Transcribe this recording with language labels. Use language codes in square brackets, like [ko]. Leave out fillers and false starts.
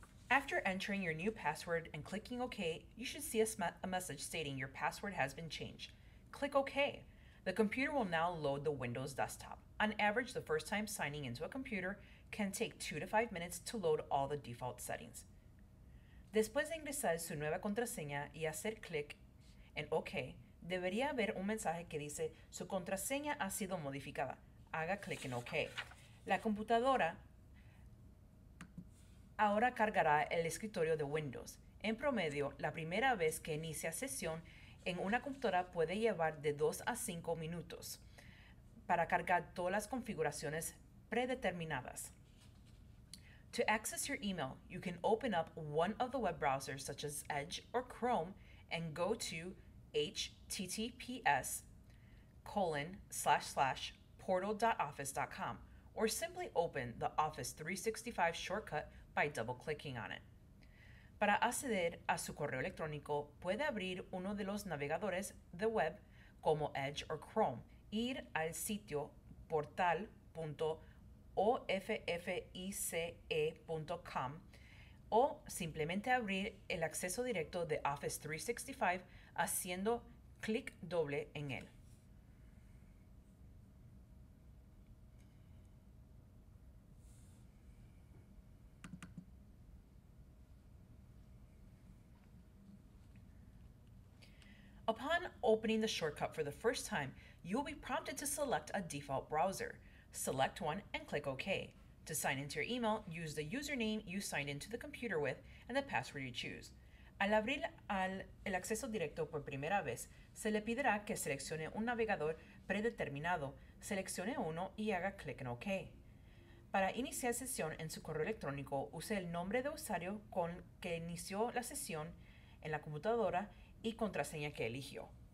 [en] After entering your new password and clicking OK, you should see a message stating your password has been changed. Click OK. The computer will now load the Windows desktop. On average, the first time signing into a computer can take 2 to 5 minutes to load all the default settings. [es] Después de ingresar su nueva contraseña y hacer clic en OK, debería haber un mensaje que dice su contraseña ha sido modificada. Haga clic en OK. La computadora ahora cargará el escritorio de Windows. En promedio, la primera vez que inicia sesión en una computadora puede llevar de 2 a 5 minutos para cargar todas las configuraciones predeterminadas. [en] To access your email, you can open up one of the web browsers such as Edge or Chrome and go to https://portal.office.com or simply open the Office 365 shortcut by double-clicking on it. [es] Para acceder a su correo electrónico, puede abrir uno de los navegadores de web como Edge o Chrome, ir al sitio portal.office.com o simplemente abrir el acceso directo de Office 365 haciendo clic doble en él. [en] Upon opening the shortcut for the first time, you will be prompted to select a default browser. Select one and click OK. To sign into your email, use the username you signed into the computer with and the password you choose. [es] Al abrir el acceso directo por primera vez, se le pedirá que seleccione un navegador predeterminado. Seleccione uno y haga clic en OK. Para iniciar sesión en su correo electrónico, use el nombre de usuario con que inició la sesión en la computadora y contraseña que eligió.